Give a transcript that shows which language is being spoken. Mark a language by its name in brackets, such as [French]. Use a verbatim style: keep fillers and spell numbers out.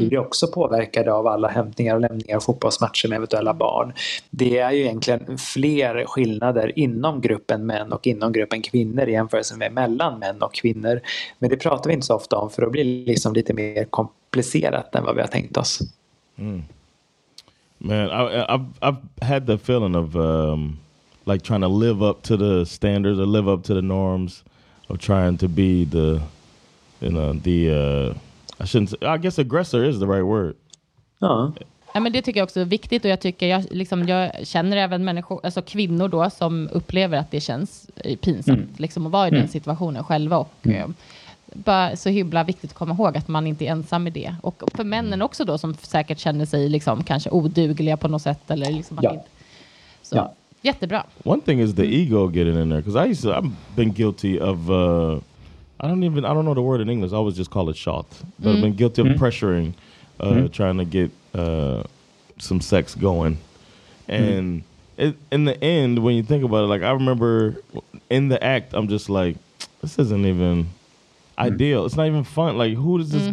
[Swedish] Vi blir också påverkade av alla hämtningar och lämningar och fotbollsmatcher med eventuella barn. Det är ju egentligen fler skillnader inom gruppen män och inom gruppen kvinnor i jämförelse med mellan män och kvinnor. Men det pratar vi inte så ofta om, för då blir det liksom lite mer komplicerat än vad vi har tänkt oss. Mm. [English] Man, I, I've I've had the feeling of um, like trying to live up to the standards or live up to the norms of trying to be the, you know, the uh, I shouldn't say, I guess aggressor is the right word. [Swedish] Ja. Ja, men det tycker jag också är viktigt, och jag tycker jag, liksom, jag känner även människor, alltså kvinnor då, som upplever att det känns pinsamt mm. liksom, att vara i mm. den situationen själva, och mm. bara så himla viktigt att komma ihåg att man inte är ensam i det. Och för männen också då, som säkert känner sig liksom kanske odugliga på något sätt eller liksom att ja. inte. Så ja. jättebra. [English] One thing is the ego getting in there, because I used to, I've been guilty of uh, I don't even I don't know the word in English. I always just call it shoth. But mm. I've been guilty of mm. pressuring, uh, mm. trying to get uh, some sex going. And mm. it, in the end, when you think about it, like I remember in the act, I'm just like, this isn't even ideal. It's not even fun. Like, who is this mm.